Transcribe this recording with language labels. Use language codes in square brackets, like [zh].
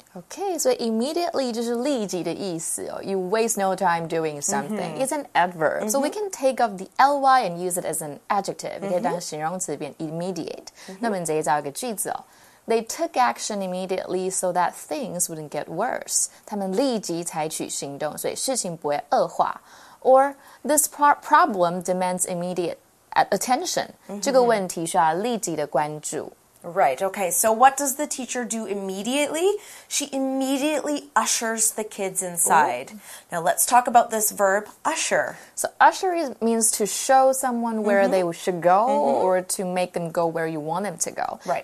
[en] Okay, so immediately [zh] 就是立即的意思、哦、 [en] You waste no time doing something.、Mm-hmm. It's an adverb.、Mm-hmm. So we can take off the ly and use it as an adjective. [zh] 可以当形容词变 immediate.、Mm-hmm. 那我们再造一个句子、哦、 [en] They took action immediately so that things wouldn't get worse. [zh] 他们立即采取行动所以事情不会恶化。 [en] Or this problem demands immediateattention,、mm-hmm. [zh] 这个问题需要立即的关注。 [en] Right, okay, so what does the teacher do immediately? She immediately ushers the kids inside.、Ooh. Now let's talk about this verb, usher. So usher means to show someone where、mm-hmm. they should go、mm-hmm. or to make them go where you want them to go. Right.